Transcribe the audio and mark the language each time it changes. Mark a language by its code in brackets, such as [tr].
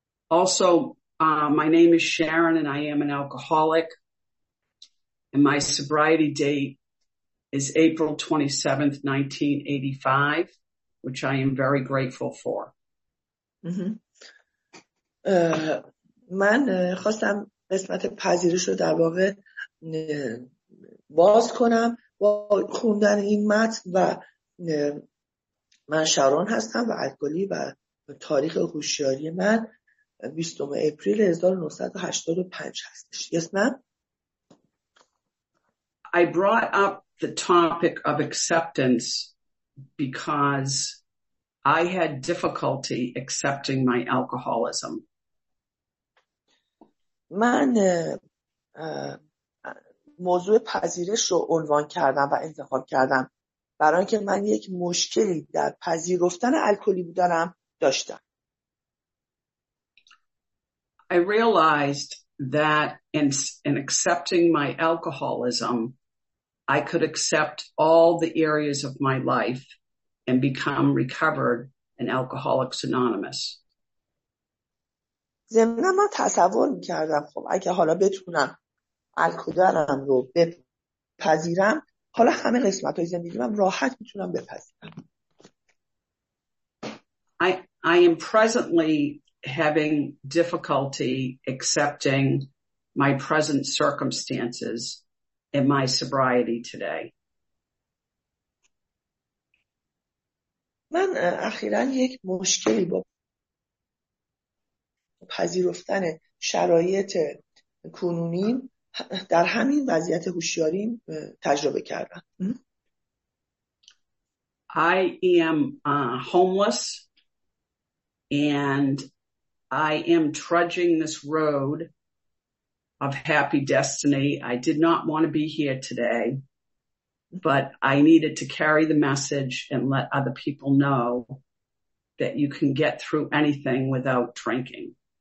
[en] Also, my name is Sharon and I am an alcoholic. And my sobriety date is April 27th, 1985, which I am very grateful for. [fa] من خواستم قسمت پذیرش رو در واقع باز کنم با خوندن این متن و من شرون هستم و الکلی و تاریخ هوشیاری من 20 اپریل 1985 هستش. [en] Yes, ma'am? I brought up the topic of acceptance because I had difficulty accepting my alcoholism. [fa] من موضوع پذیرش رو عنوان کردم و انتخاب کردم برای اینکه من یک مشکلی در پذیرفتن الکلی بودنم داشتم. [en] I realized that in accepting my alcoholism, I could accept all the areas of my life and become recovered an Alcoholics Anonymous. [fa] زمنا من تصور میکردم خب اگه حالا بتونم الکودرم رو بپذیرم حالا همه قسمت های زندگیم هم راحت میتونم بپذیرم. [en] I am presently having difficulty accepting my present circumstances and my sobriety today. [fa] من اخیراً یک مشکلی با پذیرفتن شرایط کنونیم در همین وضعیت هوشیاریم تجربه کردم. [en] I am homeless and I am trudging this road of happy destiny. I did not want to be here today, but I needed to carry the message and let other people know that you can get through anything without drinking.